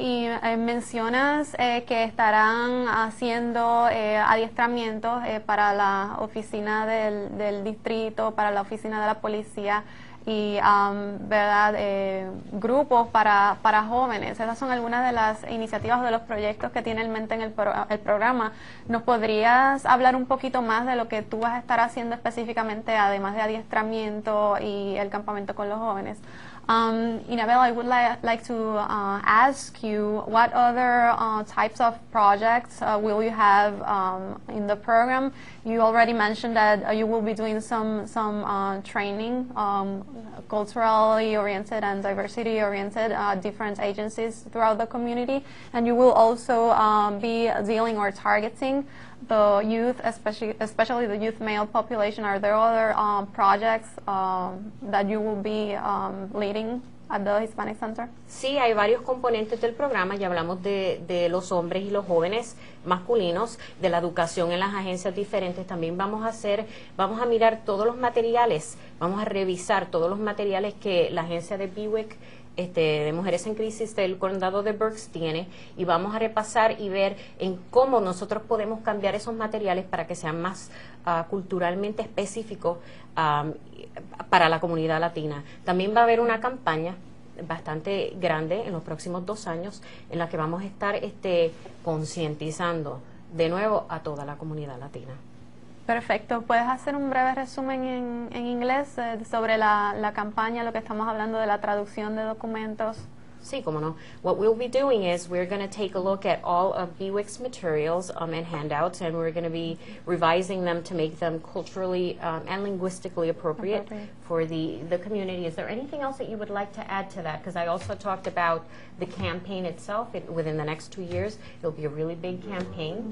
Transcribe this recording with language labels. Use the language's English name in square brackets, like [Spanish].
[Spanish] Y mencionas que estarán haciendo adiestramientos para la oficina del distrito, para la oficina de la policía, y verdad grupos para jóvenes. Esas son algunas de las iniciativas o de los proyectos que tiene en mente en el programa. ¿Nos podrías hablar un poquito más de lo que tú vas a estar haciendo específicamente, además de adiestramiento y el campamento con los jóvenes? [English] Inabel, I would like to ask you, what other types of projects will you have in the program? You already mentioned that you will be doing some training, culturally oriented and diversity oriented, different agencies throughout the community, and you will also be dealing or targeting the youth, especially the youth male population. Are there other projects that you will be leading at the Hispanic Center? [Spanish] Sí, hay varios componentes del programa. Ya hablamos de los hombres y los jóvenes masculinos, de la educación en las agencias diferentes. También vamos a mirar todos los materiales, vamos a revisar todos los materiales que la agencia de BWIC, de Mujeres en Crisis del Condado de Berks tiene, y vamos a repasar y ver en cómo nosotros podemos cambiar esos materiales para que sean más culturalmente específicos para la comunidad latina. También va a haber una campaña bastante grande en los próximos 2 años en la que vamos a estar concientizando de nuevo a toda la comunidad latina. Perfecto. ¿Puedes hacer un breve resumen en inglés sobre la campaña, lo que estamos hablando de la traducción de documentos? Sí, cómo no. [English] What we'll be doing is we're going to take a look at all of BWIC's materials and handouts, and we're going to be revising them to make them culturally and linguistically appropriate. For the community. Is there anything else that you would like to add to that? Because I also talked about the campaign itself. Within the next 2 years, it'll be a really big campaign.